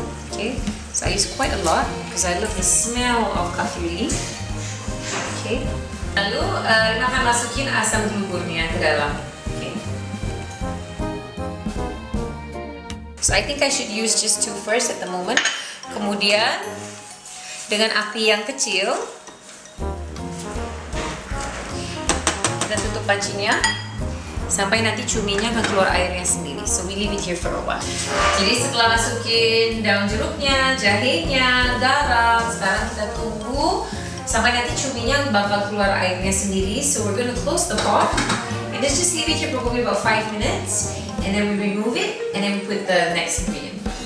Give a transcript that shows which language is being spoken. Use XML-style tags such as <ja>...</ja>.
<en>Okay, so I use quite a lot because I love the smell of kaffir leaf.</en> <id>Okay, lalu kita akan masukin asam gelugurnya ke dalam.</id> <en>So I think I should use just two first at the moment.</en> <id>Kemudian dengan api yang kecil kita tutup pancinya sampai nanti cuminya akan keluar airnya sendiri.</id> <en>So we leave it here for a while.</en> <id>Jadi setelah masukin daun jeruknya, jahenya, garam, sekarang kita tunggu sampai nanti cuminya bakal keluar airnya sendiri.</id> <en>So we're gonna close the pot and let's just leave it here for probably about 5 minutes. And then we remove it, and then we put the next ingredient.</en>